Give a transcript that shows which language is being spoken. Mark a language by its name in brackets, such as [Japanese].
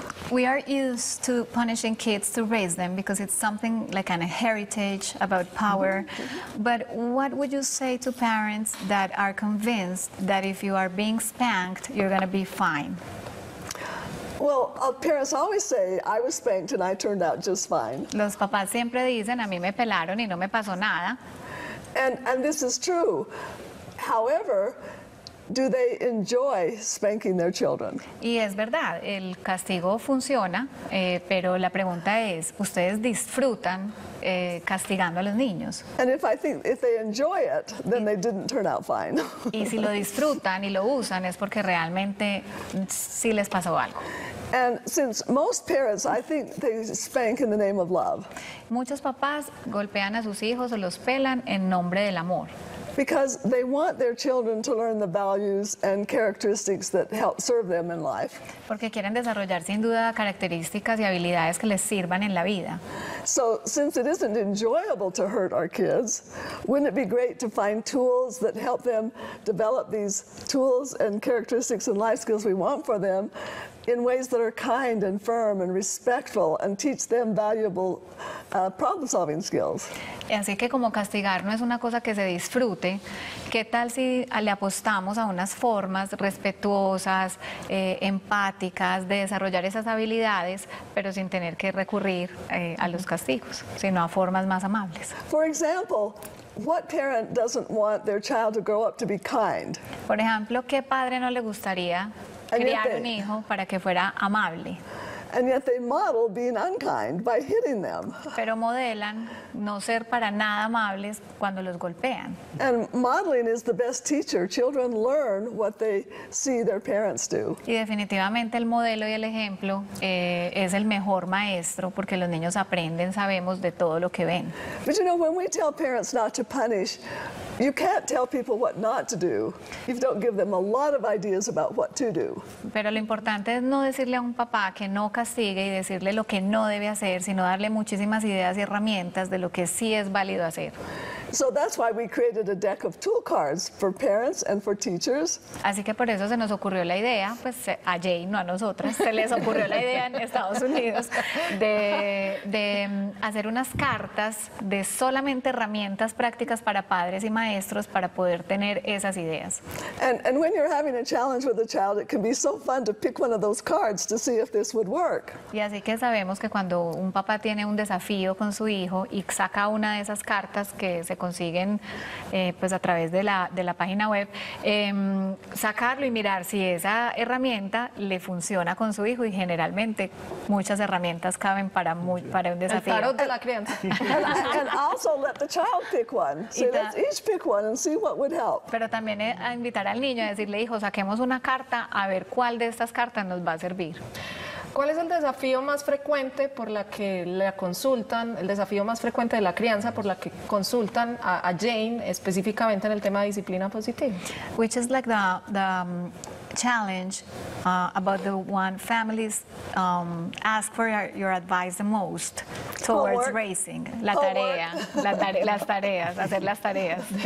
[English] We are used to punishing kids to raise them because it's something like an heritage about power. But what would you say to parents that are convinced that if you are being spanked, you're going to be fine? Well, parents always say, I was spanked and I turned out just fine. [Spanish] Los papás siempre dicen, a mí me pelaron y no me pasó nada. [English] And this is true. However, do they enjoy spanking their children? [Spanish] Y es verdad, el castigo funciona, pero la pregunta es, ¿ustedes disfrutan castigando a los niños? [English] And if I think if they enjoy it, then they didn't turn out fine. [Spanish] Y si lo disfrutan y lo usan es porque realmente sí les pasó algo. [English] And since most parents, I think they spank in the name of love. [Spanish] Muchos papás golpean a sus hijos o los pelan en nombre del amor. [English] Because they want their children to learn the values and characteristics that help serve them in life. [Spanish] Porque quieren desarrollar sin duda características y habilidades que les sirvan en la vida. [English] So since it isn't enjoyable to hurt our kids, wouldn't it be great to find tools that help them develop these tools and characteristics and life skills we want for them in ways that are kind and firm and respectful and teach them valuable problem-solving skills? [Spanish] Así que como castigar no es una cosa que se disfrute, ¿qué tal si le apostamos a unas formas respetuosas, empáticas de desarrollar esas habilidades, pero sin tener que recurrir a los castigos, sino a formas más amables? [English] For example, what parent doesn't want their child to grow up to be kind? [Spanish] Por ejemplo, ¿qué padre no le gustaría criar un hijo para que fuera amable? [English] And yet they model being unkind by hitting them. [Spanish] Pero modelan no ser para nada amables cuando los golpean. [English] And modeling is the best teacher. Children learn what they see their parents do. [Spanish] Y definitivamente el modelo y el ejemplo es el mejor maestro porque los niños aprenden, sabemos, de todo lo que ven. [English] But you know, when we tell parents not to punish, you can't tell people what not to do if you don't give them a lot of ideas about what to do. [Spanish] Pero lo importante es no decirle a un papá que no castigue y decirle lo que no debe hacer, sino darle muchísimas ideas y herramientas de lo que sí es válido hacer. [English] So that's why we created a deck of tool cards for parents and for teachers. [Spanish] Así que por eso se nos ocurrió la idea, pues a Jay, no a nosotras, se les ocurrió la idea en Estados Unidos de hacer unas cartas de solamente herramientas prácticas para padres y maestros para poder tener esas ideas. [English] And when you're having a challenge with a child, it can be so fun to pick one of those cards to see if this would work. [Spanish] Y así que sabemos que cuando un papá tiene un desafío con su hijo y saca una de esas cartas que se consiguen pues a través de la página web, sacarlo y mirar si esa herramienta le funciona con su hijo, y generalmente muchas herramientas caben para un desafío. El tarot de la crianza. [English] And also let the child pick one. So let's each pick one and see what would help. [Spanish] Pero también a invitar al niño a decirle, hijo, saquemos una carta a ver cuál de estas cartas nos va a servir. ¿Cuál es el desafío más frecuente por la que la consultan, el desafío más frecuente de la crianza por la que consultan a Jane específicamente en el tema de disciplina positiva? [English] Which is like the challenge about the one families ask for your advice the most towards homework. Raising [Spanish] la tarea, las tareas, hacer las tareas.